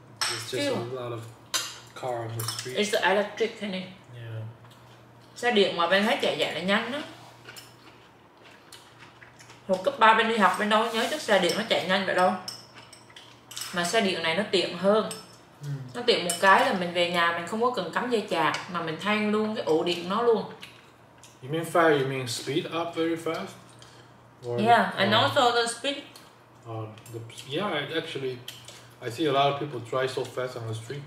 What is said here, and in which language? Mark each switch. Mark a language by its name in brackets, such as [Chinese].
[English] It's just a lot of car on the street. It's the electric, honey. Yeah. [Vietnamese] Xe điện mà bên thấy chạy dạy là nhanh đó. Hồi cấp 3 bên đi học bên đâu nhớ chứ xe điện nó chạy nhanh vậy đâu. Mà xe điện này nó tiện hơn. Nó tiện một cái là mình về nhà mình không có cần cắm dây chạc mà mình thay luôn cái ổ điện nó luôn. [English] You mean fast, you mean speed up very fast? Or, yeah, and also the speed. Actually, I see a lot of people drive so fast on the street.